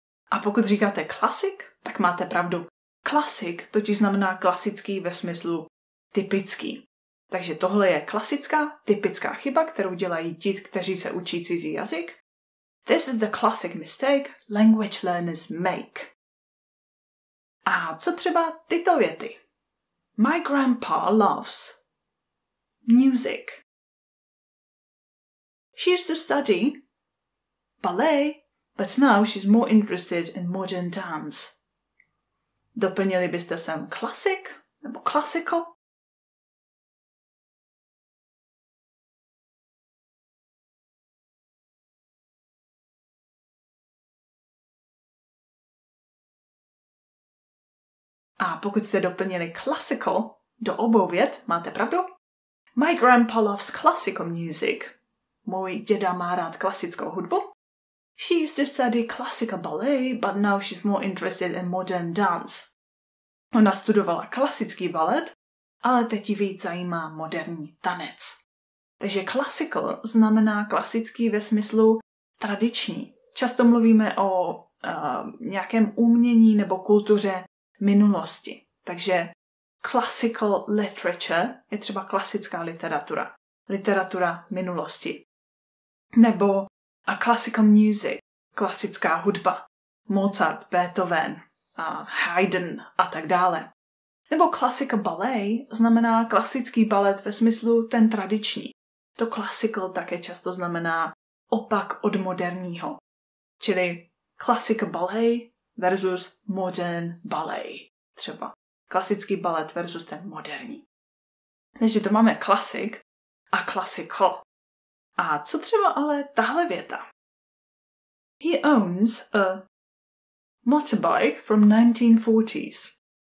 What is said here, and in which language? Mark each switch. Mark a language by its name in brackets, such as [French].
[Czech] A pokud říkáte classic, tak máte pravdu. Classic totiž znamená klasický ve smyslu typický. Takže tohle je klasická, typická chyba, kterou dělají ti, kteří se učí cizí jazyk. [English] This is the classic mistake language learners make. [Czech] A co třeba tyto věty? [English] My grandpa loves music. She used to study ballet, but now she's more interested in modern dance. [Czech] Doplnili byste sem classic nebo classical? A pokud jste doplnili classical do obou vět, máte pravdu? [English] My grandpa loves classical music. [Czech] Můj děda má rád klasickou hudbu. [English] She used to study classical ballet, but now she's more interested in modern dance. [Czech] Ona studovala klasický balet, ale teď ji víc zajímá moderní tanec. Takže classical znamená klasický ve smyslu tradiční. Často mluvíme o nějakém umění nebo kultuře minulosti. Takže classical literature je třeba klasická literatura. Literatura minulosti. Nebo a classical music, klasická hudba. Mozart, Beethoven, a Haydn a tak dále. Nebo classical ballet znamená klasický balet ve smyslu ten tradiční. To classical také často znamená opak od moderního. Čili [English] classical ballet versus modern ballet, [Czech] třeba. Klasický balet versus ten moderní. Takže to máme classic a classical. A co třeba ale tahle věta? [English] He owns a motorbike from 1940s.